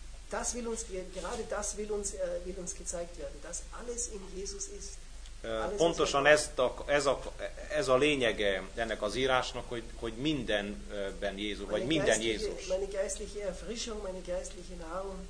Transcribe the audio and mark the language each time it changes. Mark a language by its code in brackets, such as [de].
[de] Das will uns, gerade das will uns gezeigt werden, dass alles in Jesus ist. [hu] Pontosan ez a lényege ennek az írásnak, hogy mindenben Jézus, vagy minden Jézus. [de] Meine geistliche Erfrischung, meine geistliche Nahrung.